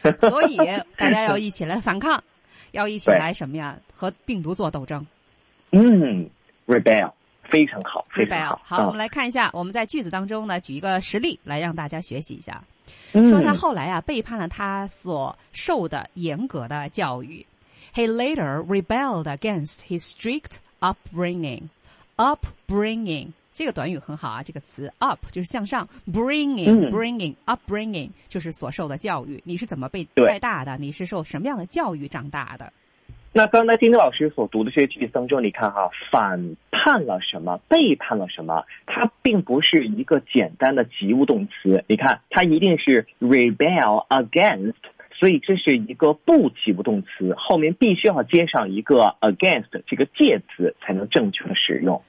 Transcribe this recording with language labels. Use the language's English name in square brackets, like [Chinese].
[Chinese] 所以大家要一起来反抗，要一起来什么呀？和病毒做斗争。 [English] 嗯 ，rebel。非常好，非常好。 [Chinese] 好，我们来看一下，我们在句子当中呢，举一个实例来让大家学习一下。嗯，说他后来啊背叛了他所受的严格的教育。 [English] He later rebelled against his strict upbringing. [Chinese] Upbringing 这个短语很好啊，这个词 up 就是向上 ，bringing upbringing 就是所受的教育。你是怎么被带大的？你是受什么样的教育长大的？那刚才丁丁老师所读的这些句子当中，你看哈，反叛了什么，背叛了什么，它并不是一个简单的及物动词，你看它一定是 rebel against， 所以这是一个不及物动词，后面必须要接上一个 against 这个介词才能正确的使用。